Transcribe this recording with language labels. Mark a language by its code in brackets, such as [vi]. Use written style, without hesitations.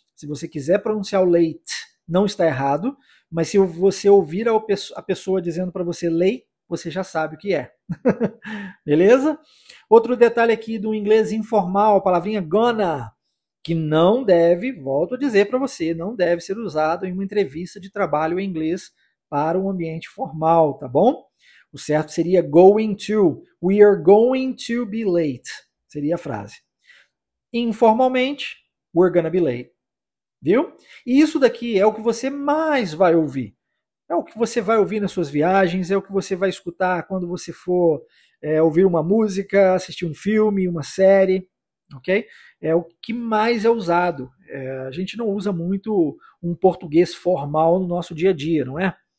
[pt] Se você quiser pronunciar o late, não está errado, mas se você ouvir a pessoa dizendo para você late, você já sabe o que é. Beleza? Outro detalhe aqui do inglês informal, a palavrinha gonna, que não deve, volto a dizer para você, não deve ser usado em uma entrevista de trabalho em inglês para um ambiente formal, tá bom? O certo seria [en] going to, we are going to be late, [pt] seria a frase. Informalmente, [en] we're gonna be late, [pt] viu? E isso daqui é o que você mais vai ouvir. É o que você vai ouvir nas suas viagens, é o que você vai escutar quando você for ouvir uma música, assistir um filme, uma série. Ok? É o que mais é usado. A gente não usa muito um português formal no nosso dia a dia, não é?